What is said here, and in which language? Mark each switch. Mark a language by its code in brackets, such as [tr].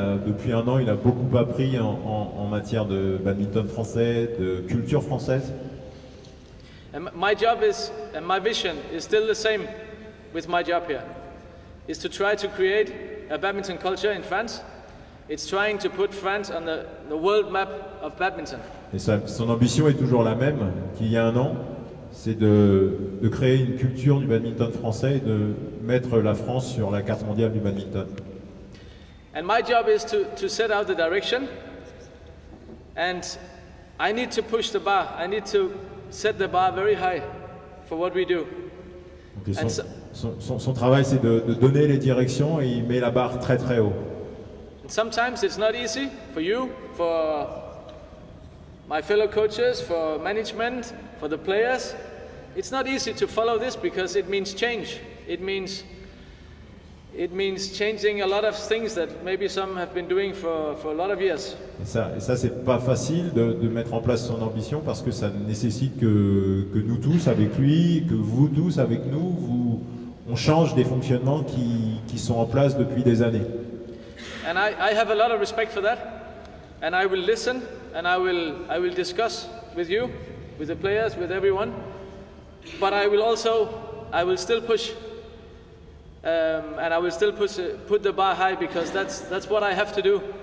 [fr] Depuis un an, il a beaucoup appris en matière de badminton français, de culture française. [en] And my job is, and my vision is still the same with my job here, is to try to create a badminton culture in France. It's trying to put France on the world map of badminton. [fr] Et son ambition est toujours la même qu'il y a un an, c'est de créer une culture du badminton français et de mettre la France sur la carte mondiale du badminton. [en] And my job is to set out the direction, and I need to push the bar. I need to set the bar very high for what we do. [fr] Okay, son travail, c'est de donner les directions, et il met la barre très très haut. [en] And sometimes it's not easy for you, for my fellow coaches, for management, for the players. It's not easy to follow this because it means change. It means changing a lot of things that maybe some have been doing for a lot of years. [fr] Et ça c'est pas facile de mettre en place son ambition parce que ça nécessite que nous tous avec lui, que vous tous avec nous, on change des fonctionnements qui sont en place depuis des années. [en] And I have a lot of respect for that, and I will listen, and I will discuss with you, with the players, with everyone, but I will still push. And I will still put the bar high because that's what I have to do.